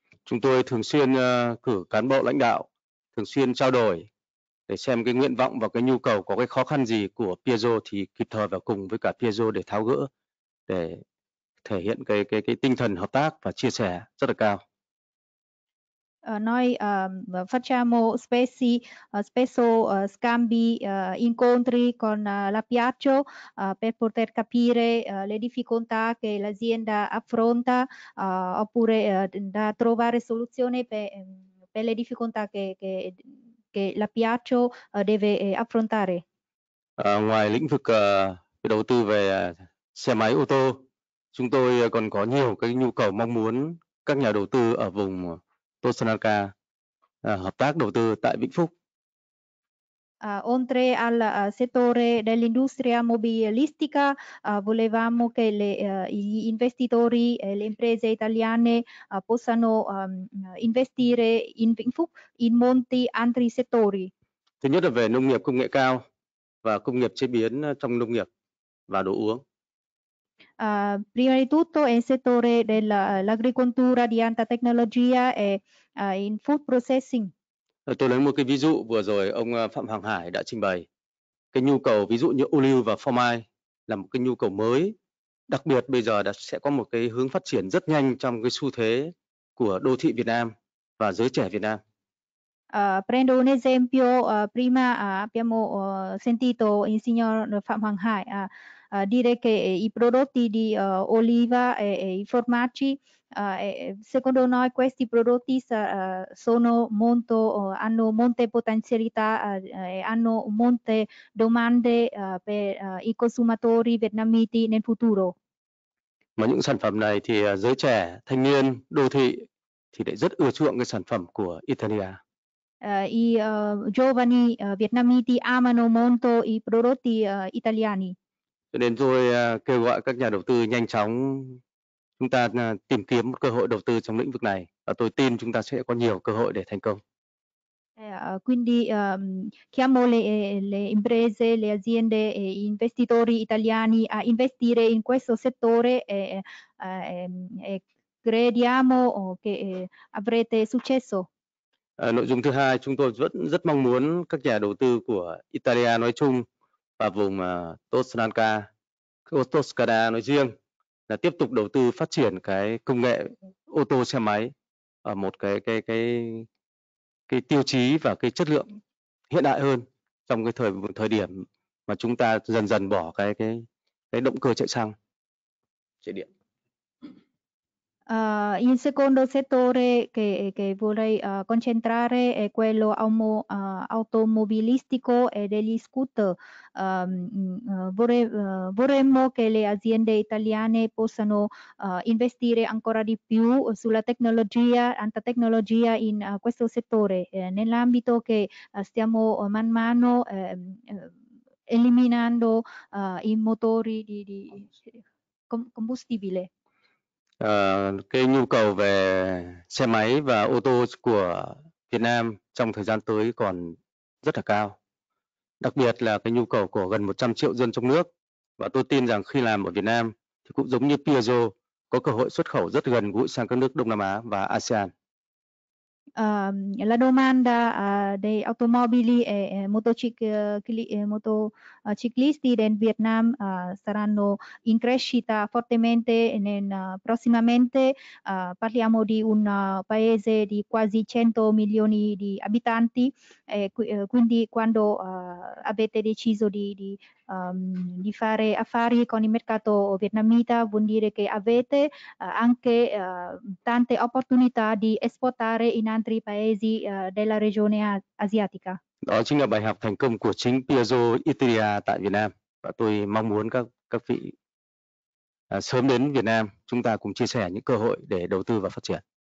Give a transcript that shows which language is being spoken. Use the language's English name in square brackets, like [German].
[Vietnamese] Chúng tôi thường xuyên cử cán bộ lãnh đạo thường xuyên trao đổi để xem cái nguyện vọng và cái nhu cầu có cái khó khăn gì của Piaggio thì kịp thời vào cùng với cả Piaggio để tháo gỡ, để thể hiện cái tinh thần hợp tác và chia sẻ rất là cao. [Italian] Noi facciamo spesso scambi incontri con la Piaggio per poter capire le difficoltà che l'azienda affronta oppure da trovare soluzioni per le difficoltà che la Piaggio deve affrontare. [Vietnamese] Ngoài lĩnh vực đầu tư về xe máy ô tô, chúng tôi còn có nhiều cái nhu cầu mong muốn các nhà đầu tư ở vùng Tosanaka hợp tác đầu tư tại Vĩnh Phúc. [Italian] Oltre al settore dell'industria mobilistica, volevamo che gli investitori e le imprese italiane possano investire in Vĩnh Phúc, in molti altri settori. [Vietnamese] Thứ nhất là về nông nghiệp công nghệ cao và công nghiệp chế biến trong nông nghiệp và đồ uống. [Italian] Prima di tutto è il settore dell'agricoltura di alta tecnologia e in [English] food processing. [Vietnamese] Tôi lấy một cái ví dụ vừa rồi ông Phạm Hoàng Hải đã trình bày. Cái nhu cầu ví dụ như ô liu và phô mai là một cái nhu cầu mới. Đặc biệt bây giờ đã sẽ có một cái hướng phát triển rất nhanh trong cái xu thế của đô thị Việt Nam và giới trẻ Việt Nam. [Italian] Prendo un esempio, prima abbiamo sentito il signor Phạm Hoàng Hải dire che i prodotti di oliva e i formaggi, secondo noi questi prodotti hanno molte potenzialità e hanno molte domande per i consumatori vietnamiti nel futuro. [Vietnamese] Ma những sản phẩm này thì giới trẻ, thanh niên, đô thị thì lại rất ưa chuộng cái sản phẩm của Italia. [Italian] I giovani vietnamiti amano molto i prodotti italiani. [Vietnamese] Cho nên tôi kêu gọi các nhà đầu tư nhanh chóng chúng ta tìm kiếm một cơ hội đầu tư trong lĩnh vực này và tôi tin chúng ta sẽ có nhiều cơ hội để thành công. [Italian] Quindi chiamo le imprese, le aziende e gli investitori italiani a investire in questo settore e crediamo che avrete successo. [Vietnamese] Nội dung thứ hai, chúng tôi vẫn rất mong muốn các nhà đầu tư của Italia nói chung và vùng Tosanaka, Toscana nói riêng là tiếp tục đầu tư phát triển cái công nghệ ô tô xe máy ở một cái tiêu chí và cái chất lượng hiện đại hơn trong cái thời điểm mà chúng ta dần dần bỏ cái động cơ chạy xăng, chạy điện. [Italian] Il secondo settore che vorrei concentrare è quello automobilistico e degli scooter. Vorremmo che le aziende italiane possano investire ancora di più sulla tecnologia, alta tecnologia in questo settore, nell'ambito che stiamo man mano eliminando i motori di combustibile. [Vietnamese] Cái nhu cầu về xe máy và ô tô của Việt Nam trong thời gian tới còn rất là cao. Đặc biệt là cái nhu cầu của gần 100 triệu dân trong nước. Và tôi tin rằng khi làm ở Việt Nam thì cũng giống như Piaggio có cơ hội xuất khẩu rất gần gũi sang các nước Đông Nam Á và ASEAN. [Italian] La domanda dei automobili e motociclisti del Vietnam saranno in crescita fortemente prossimamente. Parliamo di un paese di quasi 100 milioni di abitanti, quindi quando avete deciso di fare affari con il mercato vietnamita vuol dire che avete anche tante opportunità di esportare in altri paesi della regione asiatica. [Vietnamese] Đó chính là bài học thành công của chính Piaggio Italia tại Việt Nam. Và tôi mong muốn các vị sớm đến Việt Nam, chúng ta cùng chia sẻ những cơ hội để đầu tư và phát triển.